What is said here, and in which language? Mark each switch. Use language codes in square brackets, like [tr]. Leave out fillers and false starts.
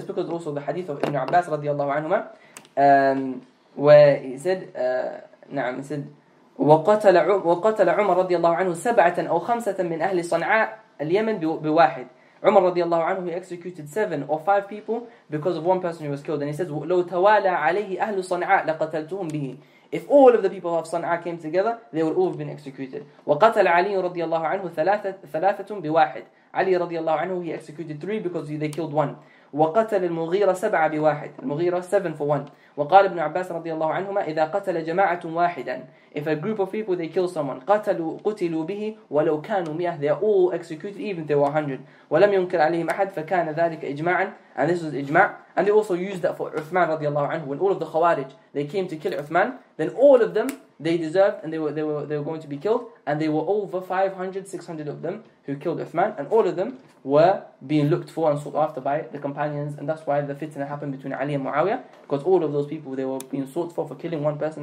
[en] That's because also the hadith of Ibn Abbas radiallahu anhu, where he said, na'am, he said, [ar] وقتل عمر رضي الله عنه سبعة أو خمسة من أهل صنعاء اليمن بواحد. [en] عمر رضي الله عنه, he executed 7 or 5 people because of one person who was killed. And he says, [ar] لو توالى عليه أهل صنعاء لقتلتهم به. [en] If all of the people of صنعاء came together, they would all have been executed. [ar] وقتل علي رضي الله عنه ثلاثة بواحد. علي رضي الله عنه, [en] he executed 3 because they killed 1. [ar] وقتل المغيرة 7 بواحد. [en] المغيرة 7 for 1. [ar] وقال ابن عباس رضي الله عنهما إذا قتل جماعة واحدا, [en] if a group of people, they kill someone, [ar] قتلوا به ولو كانوا 100, [en] they are all executed even if they were 100. [ar] ولم ينكر عليهم أحد فكان ذلك إجماعا. [en] And this was إجماع. And they also used that for Uthman رضي الله عنه. When all of the Khawarij, they came to kill Uthman, then all of them, they deserved, and they were going to be killed. And they were over 500, 600 of them who killed Uthman, and all of them were being looked for and sought after by the companions. And that's why the fitna happened between Ali and Muawiyah, because all of those people, they were being sought for killing one person.